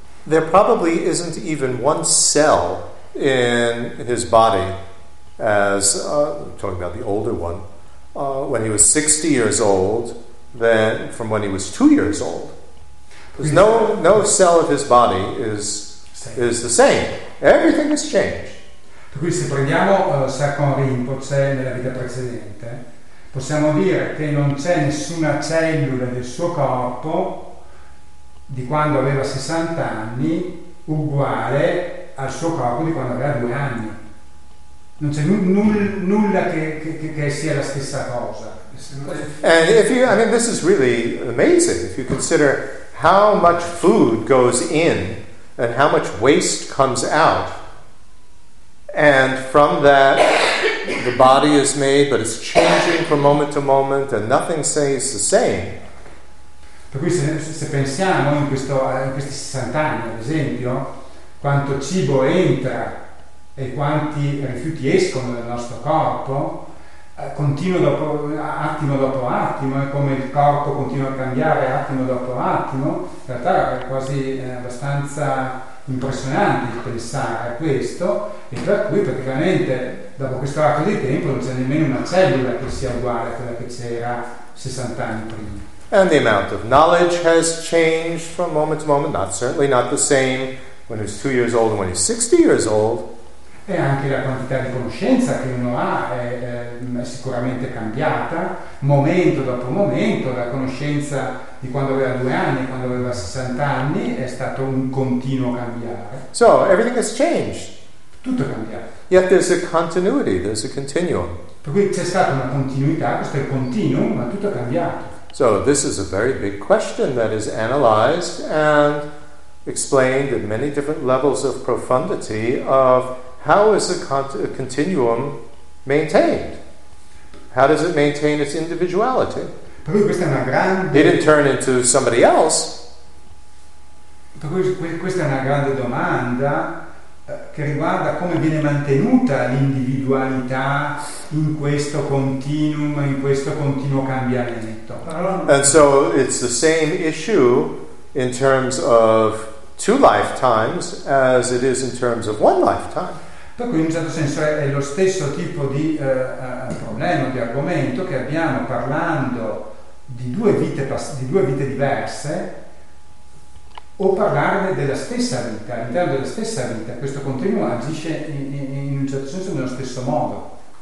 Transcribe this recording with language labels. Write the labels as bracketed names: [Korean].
[English] there probably isn't even one cell in his body as, talking about the older one, when he was 60 years old, then from when he was 2 years old. There's no cell of his body is the same. Everything has changed. [Italian] Qui se prendiamo Sirkhan Rinpoche nella vita precedente, possiamo dire che non c'è nessuna cellula del suo corpo di quando aveva 60 anni uguale al suo corpo di quando aveva 2 anni. Non c'è nulla che sia la stessa cosa. [English] And if you, I mean, this is really amazing if you consider how much food goes in and how much waste comes out, and from that the body is made, but it's changing from moment to moment and nothing stays the same. [Italian] Per cui se pensiamo in questi 60 anni, ad esempio, quanto cibo entra e quanti rifiuti escono dal nostro corpo, continua dopo attimo dopo attimo, è come il corpo continua a cambiare attimo dopo attimo. In realtà è quasi abbastanza impressionante pensare a questo, e per cui praticamente dopo questo arco di tempo non c'è nemmeno una cellula che sia uguale a quella che c'era 60 anni prima. [English] And the amount of knowledge has changed from moment to moment, not certainly not the same when he's 2 years old and when he's 60 years old. [Italian] E anche la quantità di conoscenza che uno ha è sicuramente cambiata momento dopo momento. La conoscenza di quando aveva 2 anni e quando aveva 60 anni è stato un continuo cambiare. [English] So everything has changed. [Italian] Tutto è cambiato. [English] Yet there's a continuity, there's a continuum. [Italian] Per cui c'è stata una continuità, questo è il continuum, ma tutto è cambiato. [English] So this is a very big question that is analyzed and explained at many different levels of profundity of how is a continuum maintained? How does it maintain its individuality? [Italian] Per cui questa è una grande... [English] It didn't turn into somebody else. [Italian] Per cui questa è una grande domanda che riguarda come viene mantenuta l'individualità in questo continuum, in questo continuo cambiamento. [English] And so it's the same issue in terms of two lifetimes as it is in terms of one lifetime. [Italian] Per cui in un certo senso è lo stesso tipo di problema, di argomento che abbiamo parlando di due vite diverse, o parlare della stessa vita, all'interno della stessa vita. Questo continuo agisce in un certo senso nello stesso modo.